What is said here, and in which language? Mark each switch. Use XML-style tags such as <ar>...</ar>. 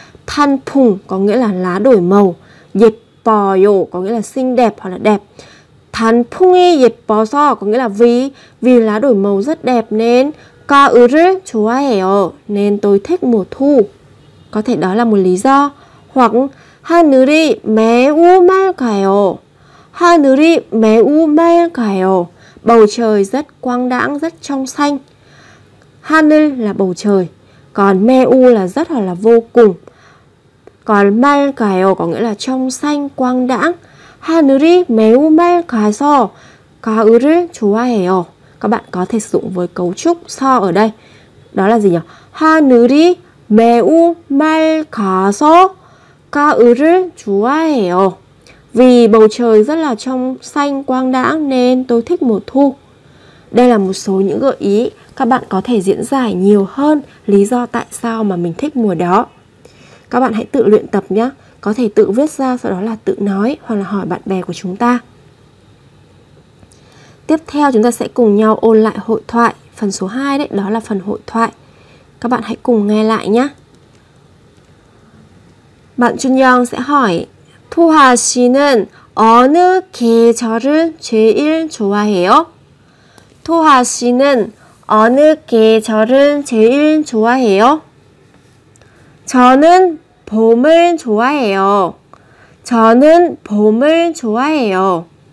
<vi>단풍 có nghĩa là lá đổi màu. 예뻐요 có nghĩa là xinh đẹp hoặc là đẹp.</vi> <ko>단풍이 예뻐서</ko> <vi>có nghĩa là vì lá đổi màu rất đẹp nên</vi> <ko>가을을 좋아해요,</ko> <vi>nên tôi thích mùa thu. Có thể đó là một lý do.</vi> <ko>Hoặc 하늘이 매우 맑아요. 하늘이 매우 맑아요.</ko> <vi>Bầu trời rất quang đãng, rất trong xanh. 하늘 là bầu trời, còn 매우 là rất hoặc là vô cùng. Còn 맑아요 có nghĩa là trong xanh, quang đãng.</vi> <ko>하늘이 매우 맑아서 가을을 좋아해요.</ko> <vi>Các bạn có thể sử dụng với cấu trúc so ở đây. Đó là gì nhỉ?</vi> <ko>하늘이 매우 맑아서 가을을 좋아해요.</ko> <vi>Vì bầu trời rất là trong xanh, quang đãng nên tôi thích mùa thu. Đây là một số những gợi ý. Các bạn có thể diễn giải nhiều hơn lý do tại sao mà mình thích mùa đó. Các bạn hãy tự luyện tập nhé. Có thể tự viết ra, sau đó là tự nói hoặc là hỏi bạn bè của chúng ta. Tiếp theo chúng ta sẽ cùng nhau ôn lại hội thoại. Phần số 2 đấy, đó là phần hội thoại. Các bạn hãy cùng nghe lại nhé. Bạn Chun Young sẽ hỏi</vi> <ko>토하 씨는 어느 계절을 제일 좋아해요? 토하 씨는 어느 계절을 제일 좋아해요? 저는 봄을 좋아해요. 저는 봄을 좋아해요.</ko>